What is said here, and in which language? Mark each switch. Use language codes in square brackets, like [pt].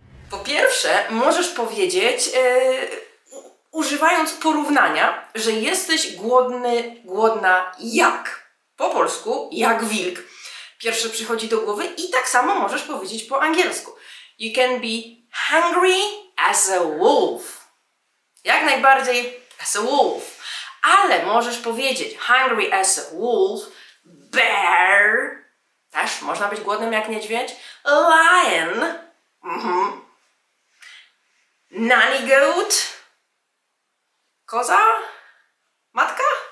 [pl] Po pierwsze, możesz powiedzieć, używając porównania, że jesteś głodny, głodna jak. Po polsku, jak wilk. Pierwsze przychodzi do głowy i tak samo możesz powiedzieć po angielsku. [en] You can be hungry as a wolf. [pl] Jak najbardziej [en] as a wolf. [pl] Ale możesz powiedzieć [en] hungry as a wolf, bear. [pl] Też można być głodnym jak niedźwiedź. [en] Lion. Nanny goat. [pl] Koza? Matka?